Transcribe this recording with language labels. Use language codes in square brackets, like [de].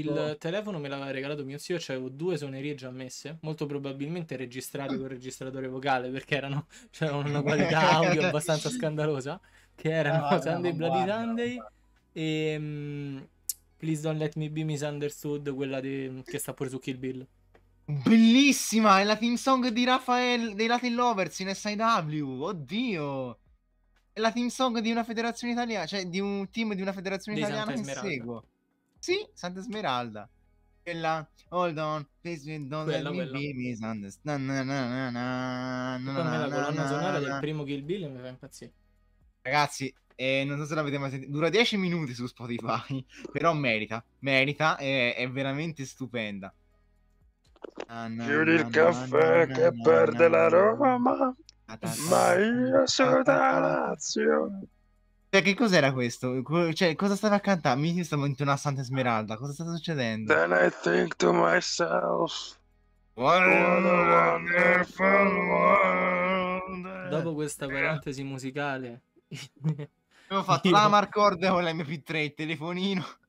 [it] il telefono me l'aveva regalato mio zio, c'avevo due suonerie già messe, molto probabilmente registrate col registratore vocale, perché erano, cioè, una qualità audio abbastanza scandalosa, che erano Sunday Bloody Sunday e Please Don't Let Me Be Misunderstood, quella che sta pure su Kill Bill. Bellissima, è la theme song di Rafael dei Latin Lovers in SIW. Oddio, è la theme song di una federazione italiana, cioè di un team di una federazione di italiana Santa che Smeralda. Seguo. Sì, Santa Smeralda. [en] Quella, hold on, please don't let me be misunderstood. [it] Quella colonna sonora del primo Kill Bill mi fa impazzire. Ragazzi, non so se l'avete mai sentito, dura 10 minuti su Spotify, però merita, è veramente stupenda. Chiudi il caffè che perde la Roma, ma io sono da Lazio. Cioè, che cos'era questo? Cioè, cosa stava a cantare? Mi stavo in una Santa Smeralda. Cosa sta succedendo? [en] Then I think to myself, what a wonderful world. [it] Dopo questa parentesi musicale, abbiamo fatto la Marcord con l'MP3, il telefonino.